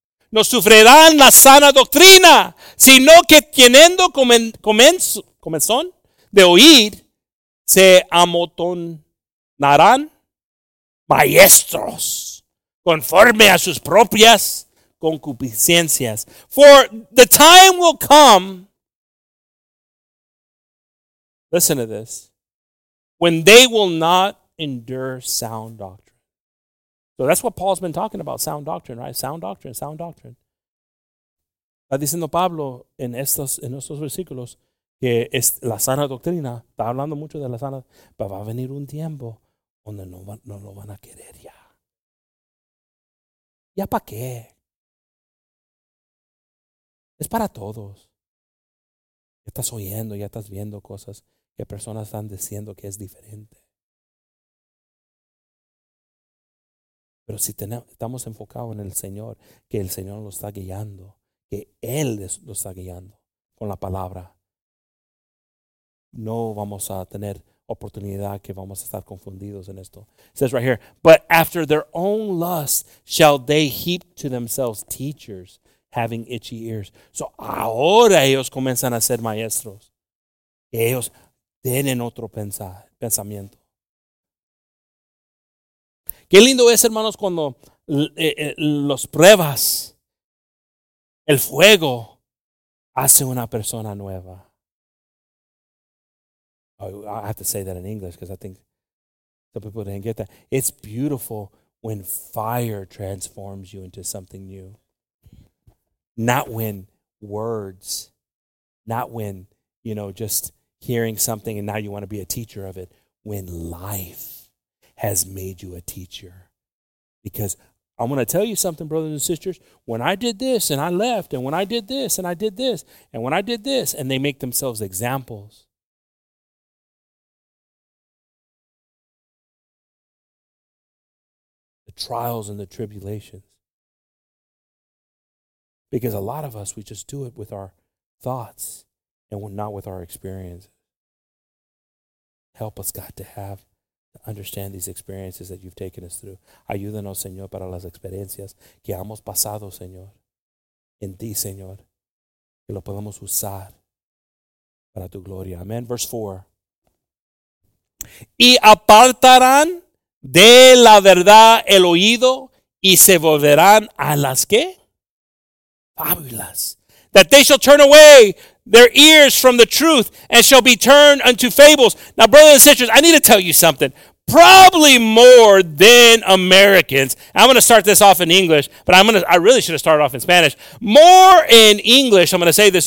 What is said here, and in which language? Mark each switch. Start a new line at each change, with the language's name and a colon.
Spanish: No sufrirán la sana doctrina, sino que teniendo comezón de oír, se amontonarán maestros conforme a sus propias concupiscencias.
English: For the time will come, listen to this, when they will not endure sound doctrine. So that's what Paul's been talking about, sound doctrine, right? Sound doctrine, sound doctrine.
Spanish: Está diciendo Pablo en estos versículos que es la sana doctrina, está hablando mucho de la sana, pero va a venir un tiempo donde no lo van a querer ya. ¿Ya para qué? Es para todos. Ya estás oyendo, ya estás viendo cosas que personas están diciendo que es diferente. Pero si estamos enfocados en el Señor, que el Señor lo está guiando, que Él lo está guiando con la palabra, no vamos a tener oportunidad que vamos a estar confundidos en esto.
English: It says right here, but after their own lust shall they heap to themselves teachers having itchy ears.
Spanish: So ahora ellos comienzan a ser maestros. Ellos tienen otro pensamiento. Qué lindo es, hermanos, cuando las pruebas, el fuego, hace una persona nueva.
English: I have to say that in English because I think some people didn't get that. It's beautiful when fire transforms you into something new. Not when words, not when, you know, just hearing something and now you want to be a teacher of it. When life has made you a teacher. Because I'm going to tell you something, brothers and sisters. When I did this and I left, and when I did this and I did this, and when I did this, and they make themselves examples. The trials and the tribulations. Because a lot of us, we just do it with our thoughts and not with our experiences. Help us, God, to have understand these experiences that you've taken us through.
Spanish: Ayúdanos, Señor, para las experiencias que hemos pasado, Señor, en ti, Señor, que lo podamos usar para tu gloria. Amén.
English: Verse 4.
Spanish: Y apartarán de la verdad el oído y se volverán a las, ¿qué? fábulas.
English: That they shall turn away their ears from the truth and shall be turned unto fables. Now, brothers and sisters, I need to tell you something. Probably more than Americans. I'm going to start this off in English, but I really should have started off in Spanish. More in English, I'm going to say this.